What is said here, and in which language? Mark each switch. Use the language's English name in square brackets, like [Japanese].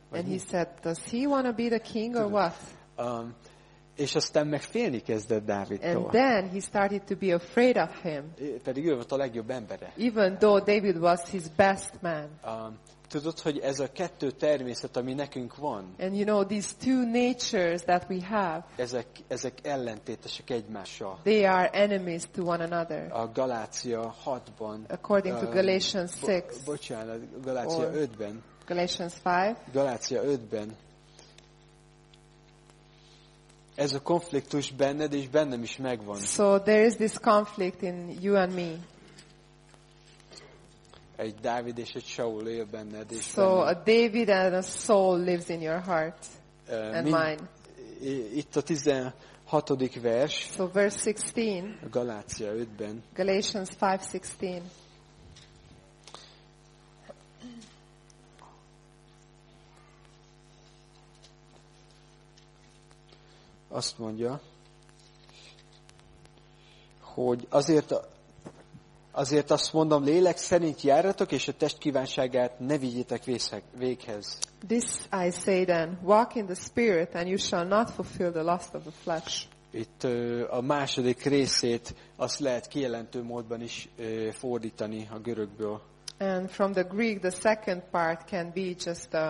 [English] And he said, does he want to be the king or what? [Hungarian] És aztán meg félni kezdett Dávidtól. [English] And then he started to be afraid of him. [Hungarian] Pedig ő volt a legjobb embere. [English] Even though David was his best man. [Hungarian] Tudod, hogy ez a kettő természet, ami nekünk van. [English] And you know these two natures that we have. [Hungarian] Ezek ellentétesek egymással. [English] They are enemies to one another. [Hungarian] A Galácia 6-ban. [English] According to Galatians 6. [Hungarian] Bocsánat, Galácia 5-ben. [English] Galatians 5. [Hungarian] Galácia 5-ben. Ez a konfliktus benned és bennem is megvan. [English] So there is this conflict in you and me. [Hungarian] Egy Dávid és egy Saul él benned és [English] so [Hungarian] benned. [English] A David and a Saul lives in your heart and mine. [Hungarian] Itt a 16. vers. [English] So verse 16. [Hungarian] Galácia 5-ben. [English] Galatians 5:16. [Hungarian] Azt mondja, hogy azért azt mondom, lélek szerint járjatok, és a test kívánságát ne vigyétek véghez. [English] This I say then, walk in the spirit, and you shall not fulfill the lust of the flesh. [Hungarian] Itt a második részét azt lehet kijelentő módban is fordítani a görögből. [English] And from the Greek, the second part can be just